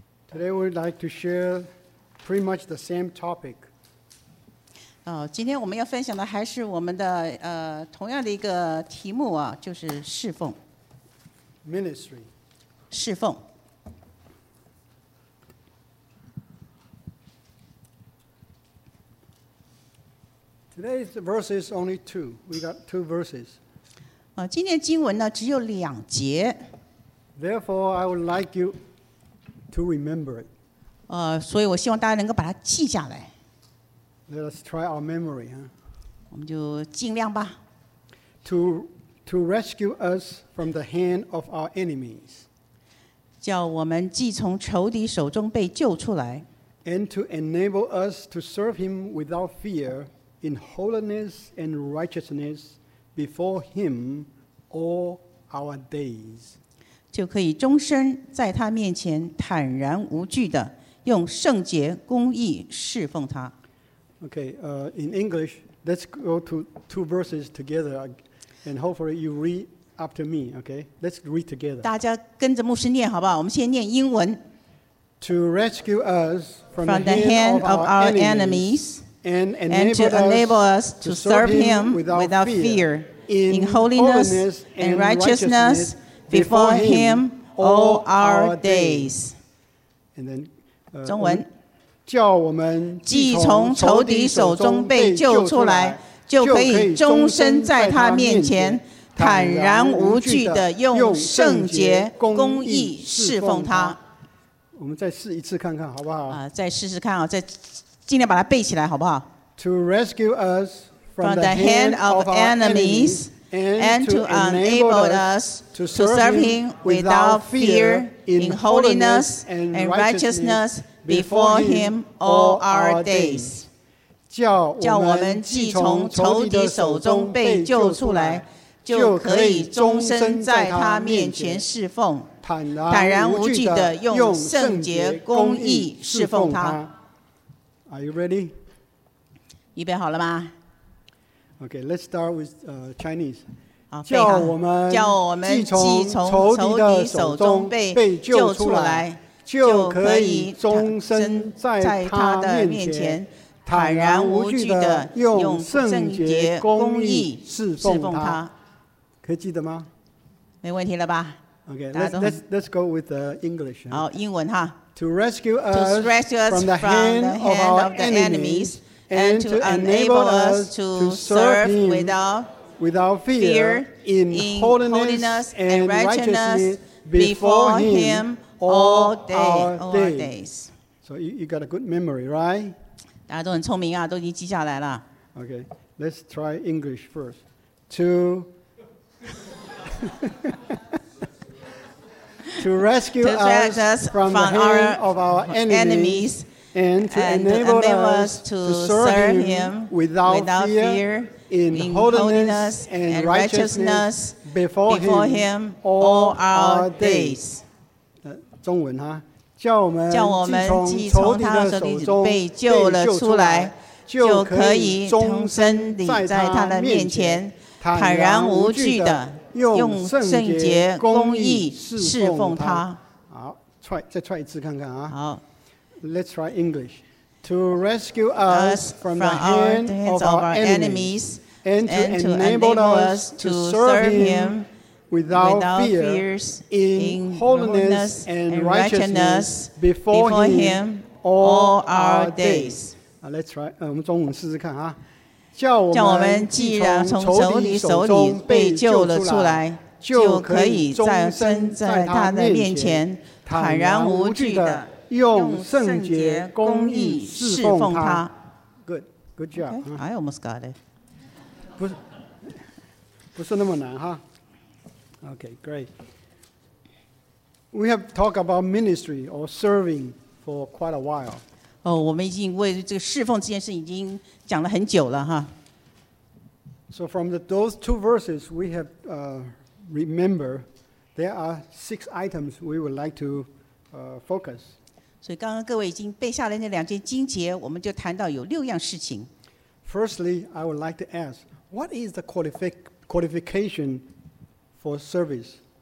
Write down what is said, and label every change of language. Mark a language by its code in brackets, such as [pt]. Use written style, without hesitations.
[en] Today we'd like to share pretty much the same topic. [zh] 今天我们要分享的还是我们的同样的一个题目啊，就是侍奉。 [en] Ministry. [zh] 侍奉。 [en] Today's verse is only two. We got two verses. [zh] 今天经文呢只有两节。 [en] Therefore, I would like you to remember it. [zh] 所以我希望大家能够把它记下来。 [en] Let us try our memory, huh? [zh] 我们就尽量吧。 [en] To rescue us from the hand of our enemies. [zh] 叫我们既从仇敌手中被救出来。 [en] And to enable us to serve him without fear. In holiness and righteousness before Him all our days, [zh] 就可以终身在他面前坦然无惧的用圣洁公义侍奉他。 [en] Okay, in English, let's go to two verses together, and hopefully you read after me. Okay, let's read together. [zh] 大家跟着牧师念好不好？我们先念英文。 [en] To rescue us from the hand of our enemies. And to enable us to serve him without fear in holiness and righteousness before him all our days. And then, [zh] 中文叫我们既从仇敌手中被救出来，就可以终身在他面前坦然无惧的用圣洁公义侍奉他。我们再试一次看看好不好？再试试看啊，再。尽量把它背起来，好不好 [en] ？To rescue us from the hand of enemies and to enable us to serve him without fear in holiness and righteousness before him all our days. [zh] 叫我们既从仇敌手中被救出来，就可以终身在他面前侍奉，坦然无惧的用圣洁公义侍奉他。 [en] Are you ready? [zh] 预备好了吗 [en] ？Okay, let's start with Chinese. [zh] 叫我们既从仇敌的手中被救出来，就可以终身在他的面前坦然无惧的用圣洁公义侍奉他。可以记得吗？没问题了吧 [en] ？Okay, let's go with the English. [zh] 好，英文哈。 [en] To rescue us from the hand of our enemies and to enable us to serve him without fear in holiness and righteousness before him all days. So you got a good memory, right? [zh] 大家都很聪明啊，都已经记下来了。 [en] Okay, let's try English first. To... To rescue us from the hand of our enemies and to enable us to serve him without fear in holiness and righteousness before him all our days. [zh] 中文哈，叫我们既从仇敌的手中被救了出来，就可以终身地在他的面前坦然无惧的。用圣洁公义侍奉他。好 再 [en] try [zh] 一次看看啊。好 [en] ，Let's try English. To rescue us from the hand of our enemies and to enable us to serve him without fear in holiness and righteousness before him all our days. [zh] 来 [en] try， [zh] 我们中文试试看啊。叫我们既然从仇敌手里被救了出来，就可以再生在他的面前坦然无惧的用圣洁公义侍奉他。 [en] Good job. Okay, I almost got it. [zh] 不是那么难哈。 [en] Okay, great. We have talked about ministry or serving for quite a while. [zh] 我们已经为这个侍奉这件事已经讲了很久了哈。 [en] So from those two verses we have remember there are six items we would like to focus. [zh] 所以刚刚各位已经背下来那两节经节，我们就谈到有六样事情。 [en] Firstly, I would like to ask, what is the qualification for service?